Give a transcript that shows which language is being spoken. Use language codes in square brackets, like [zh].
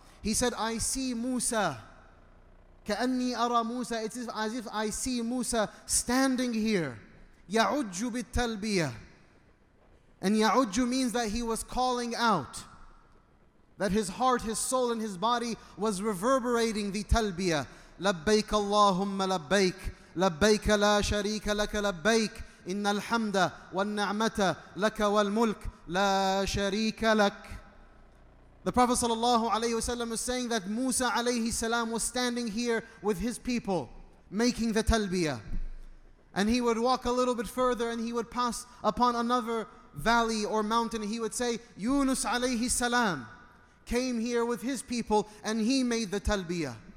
[en] He said, I see Musa. [ar] كأني أرى موسى. [en] It is as if I see Musa standing here. [ar] يعج بالتلبية. [en] And يعج means that he was calling out, that his heart, his soul, and his body was reverberating the talbiyah. [ar] لبيك اللهم لبيك لبيك لا شريك لك لبيك إن الحمد والنعمة لك والملك لا شريك لك. [en] The Prophet sallallahu alayhi wasallam is saying that Musa alayhi salam was standing here with his people making the talbiyah. And he would walk a little bit further and he would pass upon another valley or mountain. He would say, Yunus alayhi salam came here with his people and he made the talbiyah.